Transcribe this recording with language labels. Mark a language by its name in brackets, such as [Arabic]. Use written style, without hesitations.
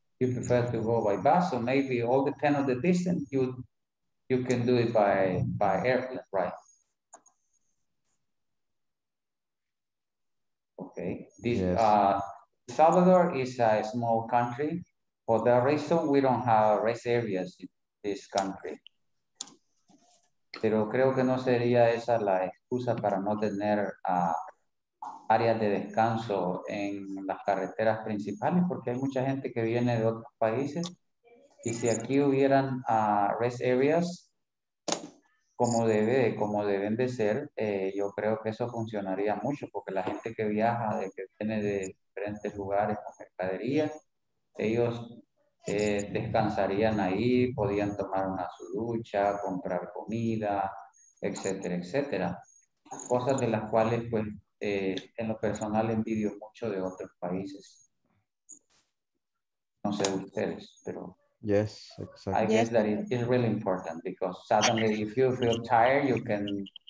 [English] You prefer to go by bus, or maybe all depend on the distance, you can do it by airplane, right? Okay. Salvador is a small country. For that reason, we don't have rest areas in this country. [Spanish] Pero creo que no sería esa la excusa para no tener áreas de descanso en las carreteras principales, porque hay mucha gente que viene de otros países. Y si aquí hubieran [English] rest areas, [Spanish] como deben de ser, yo creo que eso funcionaría mucho, porque la gente que viaja, que viene de diferentes lugares con mercadería, ellos descansarían ahí, podían tomar una ducha, comprar comida, etcétera, etcétera. Cosas de las cuales, pues, en lo personal envidio mucho de otros países. No sé ustedes, pero... [English] Yes, exactly. I guess that it is really important, because suddenly if you feel tired, you can...